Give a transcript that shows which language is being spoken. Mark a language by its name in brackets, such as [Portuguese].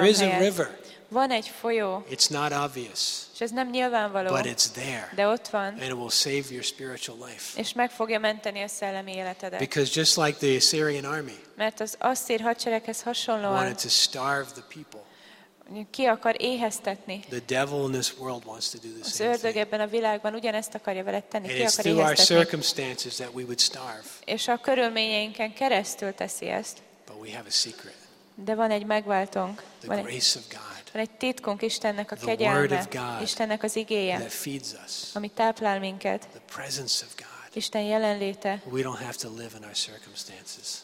[Hungarian] helyett. [English] There is a river. [Hungarian] Van egy folyó. [English] It's not obvious. [Hungarian] És ez nem nyilvánvaló. [English] But it's there. [Hungarian] De ott van. [English] And it will save your spiritual life. [Hungarian] És meg fogja menteni a szellemi életedet. [English] Because just like the Assyrian army. [Hungarian] Mert az asszír hadsereghez hasonlóan. [English] Wanted to starve the people. [Hungarian] Ki akar éheztetni? [English] The devil in this world wants to do the same. [Hungarian] Az ördög ebben a világban ugyanezt akarja veled tenni. [English] And it's through our circumstances that we would starve. [Hungarian] És a körülményeinken keresztül teszi ezt. [English] But we have a secret. [Hungarian] De van egy megváltónk. [English] The grace of God. [Hungarian] Van egy titkunk, Istennek a kegyelme, Istennek az igéje, ami táplál minket. [English] The presence of God. [Hungarian] Isten jelenléte. [English] We don't have to live in our circumstances.